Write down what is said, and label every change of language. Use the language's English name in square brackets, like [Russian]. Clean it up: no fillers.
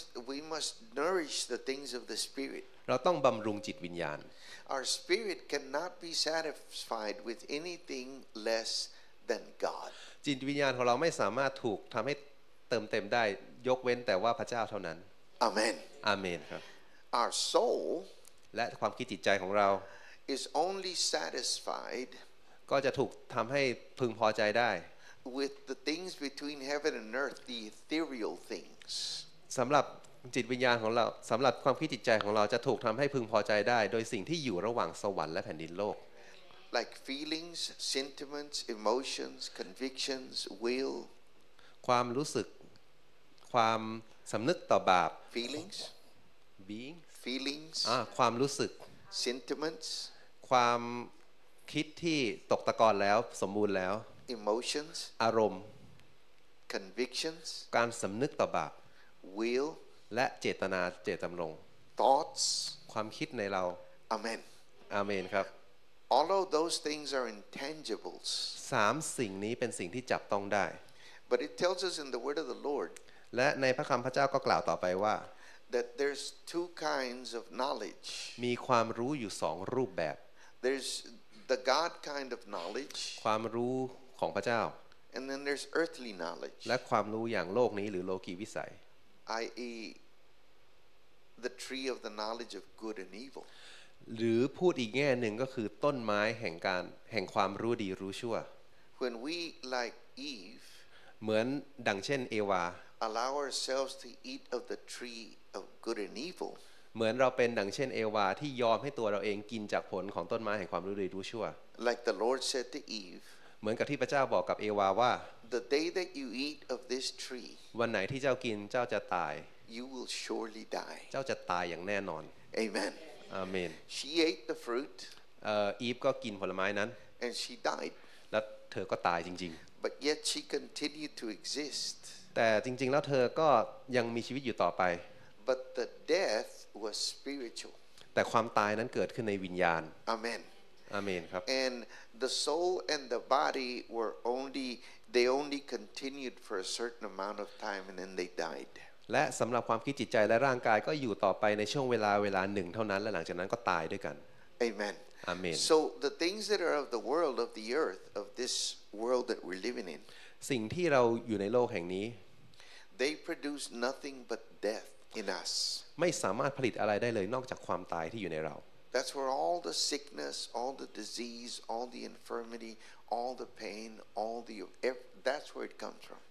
[English] We must nourish the things of the spirit [Thai] เราต้องบำรุงจิตวิญญาณ [English] Our spirit cannot be satisfied with anything less than God [Thai] จิตวิญญาณของเราไม่สามารถถูกทำให้เติมเต็มได้ยกเว้นแต่ว่าพระเจ้าเท่านั้น [English] Amen [Thai] Amen ครับ [English] Our soul [Thai] และความคิดจิตใจของเรา [English] is only satisfied [Thai] ก็จะถูกทำให้พึงพอใจได้ [English] with the things between heaven and earth the ethereal things [Thai] สำหรับจิตวิญญาณของเราสำหรับความคิดจิตใจของเราจะถูกทำให้พึงพอใจได้โดยสิ่งที่อยู่ระหว่างสวรรค์และแผ่นดินโลก [English] like feelings sentiments emotions convictions will [Thai] ความรู้สึกความสำนึกต่อบาป [English] feelings being feelings [Thai] ความรู้สึก [English] sentiments [Thai] ความคิดที่ตกตะกอนแล้วสมบูรณ์แล้ว [English] emotions [Thai] อารมณ์ [English] convictions [Thai] การสำนึกต่อบาป [English] will [Thai] และเจตนาเจตจำนง [English] thoughts [Thai] ความคิดในเรา [English] amen [Thai] amen ครับ [English] all of those things are intangibles [Thai] 3 สิ่งนี้เป็นสิ่งที่จับต้องได้ [English] but it tells us in the word of the lord [Thai] และในพระคัมภีร์พระเจ้าก็กล่าวต่อไปว่า [English] That there's two kinds of knowledge. [Thai] มีความรู้อยู่สองรูปแบบ [English] There's the God kind of knowledge. [Thai] ความรู้ของพระเจ้า [English] And then there's earthly knowledge. [Thai] และความรู้อย่างโลกนี้หรือโลกีวิสัย [English] I.e. the tree of the knowledge of good and evil. [Thai] หรือพูดอีกแง่หนึ่งก็คือต้นไม้แห่งการแห่งความรู้ดีรู้ชั่ว [English] When we like Eve. [Thai] เหมือนดังเช่นเอวา [English] Allow ourselves to eat of the treeOf good and evil. [Thai] เหมือนเราเป็นดังเช่นเอวาที่ยอมให้ตัวเราเองกินจากผลของต้นไม้แห่งความรู้ดีรู้ชั่ว [English] Like the Lord said to Eve. [Thai] เหมือนกับที่พระเจ้าบอกกับเอวาว่า [English] The day that you eat of this tree. [Thai] วันไหนที่เจ้ากินเจ้าจะตาย [English] You will surely die. [Thai] เจ้าจะตายอย่างแน่นอน [English] Amen. Amen. She ate the fruit. [Thai] Eve ก็กินผลไม้นั้น [English] And she died. [Thai] และเธอก็ตายจริง [English] ๆ But yet she continued to exist. [Thai] แต่จริงๆแล้วเธอก็ยังมีชีวิตอยู่ต่อไป [English] But the death was spiritual. [Thai] แต่ความตายนั้นเกิดขึ้นในวิญญาณ [English] Amen. [Thai] Amen. ครับ [English] And the soul and the body were only they only continued for a certain amount of time and then they died. [Thai] และสำหรับความคิดจิตใจและร่างกายก็อยู่ต่อไปในช่วงเวลาหนึ่งเท่านั้นและหลังจากนั้นก็ตายด้วยกัน [English] Amen. Amen. So the things that are of the world of the earth of this world that we're living in. [Thai] สิ่งที่เราอยู่ในโลกแห่งนี้ [English] They produce nothing but death. In us, [Thai] ไม่สามารถผลิตอะไรได้เลยนอกจากความตายที่อยู่ในเรา [English] That's where all the sickness, all the disease, all the infirmity, all the pain, all the that's where it comes from.